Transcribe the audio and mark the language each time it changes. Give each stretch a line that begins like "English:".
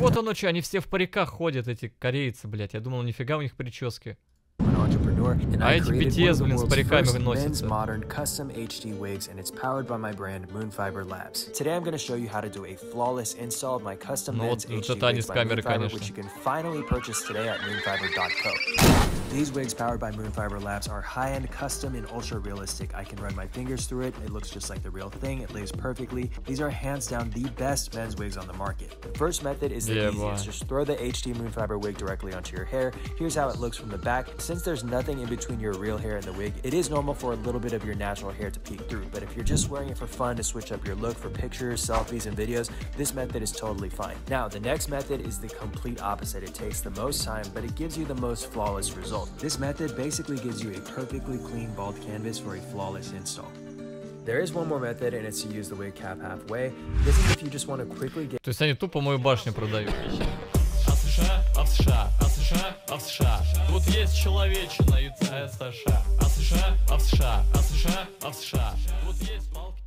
Russian: вот оно что, они все в париках ходят, эти корейцы, блядь. Я думал, нифига у них прически. А эти BTS, блин, с париками выносятся.
English: Modern custom HD wigs, and it's powered by my brand Moon Fiber Labs. Today I'm going to show you how to do a flawless install of my custom men's HD wigs by Moon Fiber, which you can finally purchase today at moonfiber.co. These wigs powered by Moon Fiber Labs are high-end custom and ultra realistic. I can run my fingers through it. It looks just like the real thing. It lays perfectly. These are hands down the best men's wigs on the market. The first method is the easiest. Just throw the HD Moon Fiber wig directly onto your hair. Here's how it looks from the back. Since there's nothing in between your real hair and the wig, it is normal for a little bit of your natural hair to peek through. But if you're just wearing it for fun to switch up your look for pictures, selfies, and videos, this method is totally fine. Now, the next method is the complete opposite. It takes the most time, but it gives you the most flawless result. This method basically gives you a perfectly clean bald canvas for a flawless install. There is one more method, and it's to use the wig cap halfway. This is if you just want to quickly get...
Russian: То есть они тупо мою башню продают. Тут есть человечина, и ЦСШ. А США, а США, а США, а США. Тут есть...